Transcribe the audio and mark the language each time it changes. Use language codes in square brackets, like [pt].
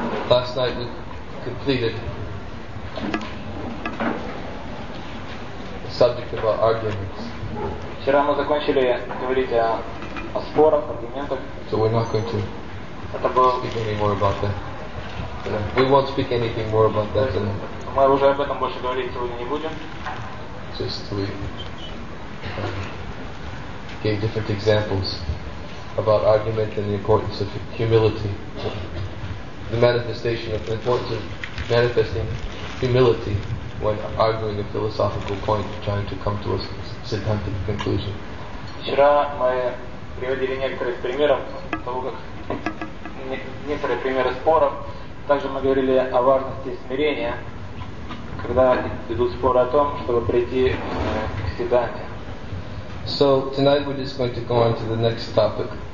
[en] Last night we completed the subject of our arguments. [ru] Вчера мы закончили говорить о спорах, аргументах. [en] So we're not going to speak any more about that. We won't speak anything more about that tonight. [ru] Мы уже об этом больше говорить сегодня не будем. [en] Just we gave different examples about argument and the importance of humility. The manifestation of the importance of manifesting humility when arguing a philosophical point, trying to come to a siddhantic conclusion. [ru] Вчера мы приводили некоторые примеры того, как некоторые примеры споров. Также мы говорили о важности смирения, когда идут споры о том, чтобы прийти к Сиддханте. [en] So tonight we're just going to go on to the next topic.